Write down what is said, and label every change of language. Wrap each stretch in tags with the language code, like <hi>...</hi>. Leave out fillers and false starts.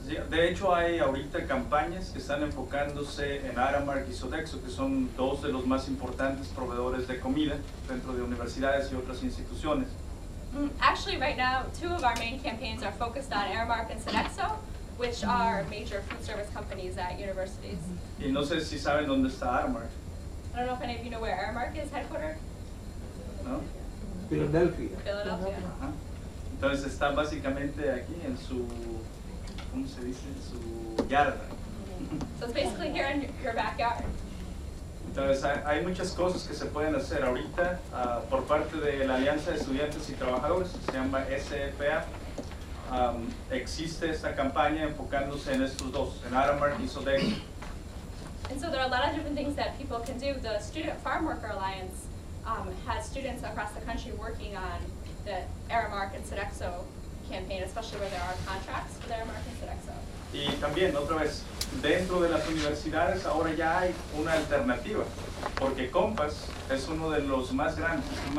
<es>De hecho, hay ahorita campañas que están enfocándose en Aramark y Sodexo, que son dos de los más importantes proveedores de comida dentro de universidades y otras instituciones.</es> <en>Actually, right now, two of our main campaigns are focused on Aramark and Sodexo, which are major food service companies at universities.</en> <es>Y no sé si saben dónde está Aramark.</es> <en>I don't know if any of you know where Aramark is headquartered.</en> <es>No. Philadelphia.</es> <en>Philadelphia.</en> <es>Entonces, está básicamente aquí en su... ¿Cómo se dice? En su yarda.</es> <en>So it's basically here in your backyard.</en> <es>Entonces, hay muchas cosas que se pueden hacer ahorita por parte de la Alianza de Estudiantes y Trabajadores, se llama SFA. Existe esta campaña enfocándose en estos dos, en Aramark y Sodexo.</es> <en>And so there are a lot of different things that people can do. The Student Farm Worker Alliance has students across the country working on the Aramark and Sodexo campaign, especially where there are contracts for their Aramark and Sodexo. And also, outside of universities, now there is an alternative, because Compass is one of the most grandest,</en>